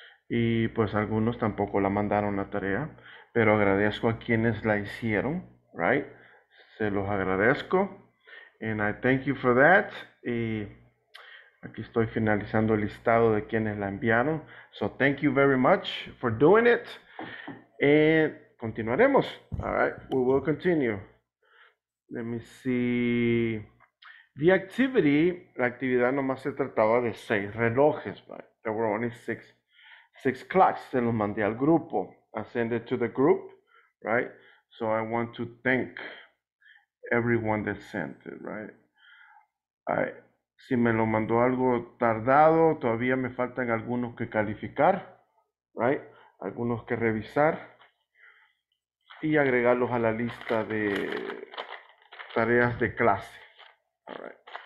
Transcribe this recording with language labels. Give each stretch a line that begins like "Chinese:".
Spanish: Y pues algunos tampoco la mandaron la tarea, pero agradezco a quienes la hicieron,
English: right?
Spanish: Se los agradezco.
English: And I thank you for that.
Spanish: Y aquí estoy finalizando el listado de quienes la enviaron.
English: So thank you very much for doing it. And
Spanish: continuaremos.
English: All right, we will continue. Let me see. The activity,
Spanish: la actividad nomás se trataba de 6 relojes.
English: Right? There were only 6 clocks.
Spanish: Se los mandé al grupo.
English: I send it to the group, right? So I want to thank everyone that sent it, right? All right.
Spanish: Si me lo mandó algo tardado, todavía me faltan algunos que calificar,
English: right?
Spanish: Algunos que revisar y agregarlos a la lista de tareas de clase.
English: All right.